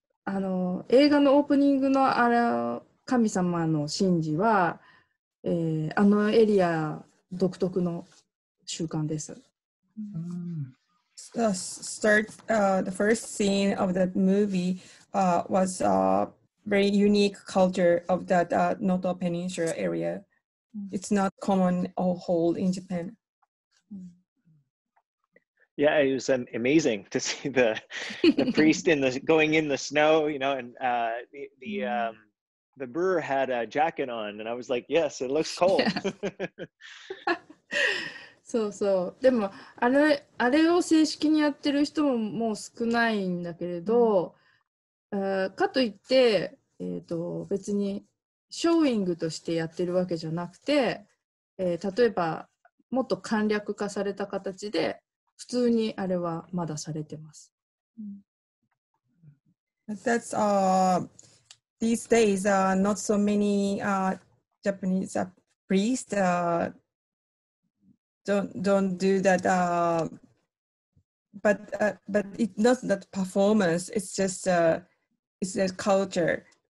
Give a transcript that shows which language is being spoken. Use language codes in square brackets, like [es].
[ja] あの、映画のオープニングのあれ、神様の神事は、あのエリア独特の習慣です。 [en] The start, the first scene of the movie, was a very unique culture of that Noto Peninsula area. It's not common or hold in Japan. Yeah, it was amazing to see the priest in the going in the snow, you know, and the brewer had a jacket on, and I was like, yes, it looks cold. [ja] そうそう。でもあれを正式にやってる人ももう少ないんだけれど、かといって別にショーイングとしてやってるわけじゃなくて、例えばもっと簡略化された形で普通にあれはまだされてます。 [en] That's these days not so many Japanese priests don't do that. But it's not that performance. It's just it's a culture.